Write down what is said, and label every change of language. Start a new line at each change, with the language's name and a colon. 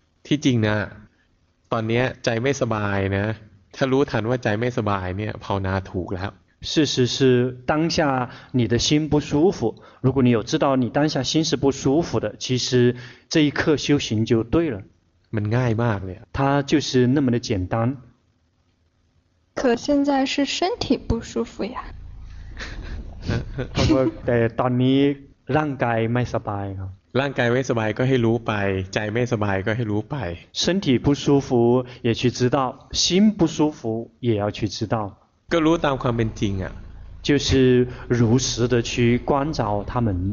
Thai: ที่จริงนะตอนนี้ใจไม่สบายนะถ้ารู้ทันว่าใจไม่สบายเนี่ยภาวนาถูกแล้ว
Chinese: 事实是当下你的心不舒服如果你有知道你当下心是不舒服的其实这一刻修行就对了
Thai: มันง่ายมากเลย
Chinese: 它就是那么的简单可现在是身体不舒服呀
Thai: แต่ตอนนี้ร่างกายไม่สบายครับ ร่างกายไม่สบายก็ให้รู้ไปใจไม่สบายก็ให้รู้ไป
Chinese: 身体不舒服也去知道心不舒服也要去知道
Thai: ก็รู้ตามความเป็นจริงอ่ะ
Chinese: 就是如实的去观照他们